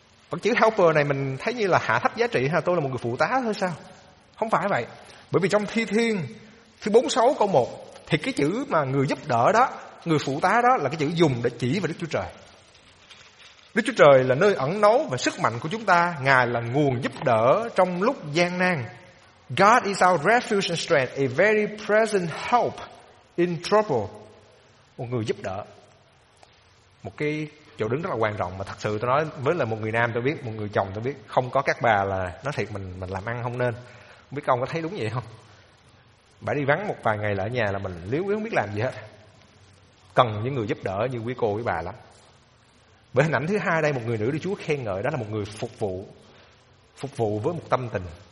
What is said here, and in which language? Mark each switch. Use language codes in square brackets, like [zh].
[vi] Còn chữ helper này mình thấy như là hạ thấp giá trị, ha, tôi là một người phụ tá thôi sao? Không phải vậy. Bởi vì trong Thi Thiên thứ 46 câu 1 thì cái chữ mà người giúp đỡ đó, người phụ tá đó là cái chữ dùng để chỉ về Đức Chúa Trời. Đức Chúa Trời là nơi ẩn náu và sức mạnh của chúng ta. Ngài là nguồn giúp đỡ trong lúc gian nan. [en] God is our refuge and strength, a very present help in trouble. [vi] Một người giúp đỡ. Một cái chỗ đứng rất là quan trọng. Mà thật sự tôi nói với là một người nam tôi biết, một người chồng tôi biết, không có các bà là nói thiệt mình làm ăn không nên. Không biết ông có thấy đúng vậy không? Bà đi vắng một vài ngày là ở nhà là mình liếu không biết làm gì hết. Cần những người giúp đỡ như quý cô, quý bà lắm. Bởi hình ảnh thứ hai đây, một người nữ được Chúa khen ngợi, đó là một người phục vụ. Phục vụ với một tâm tình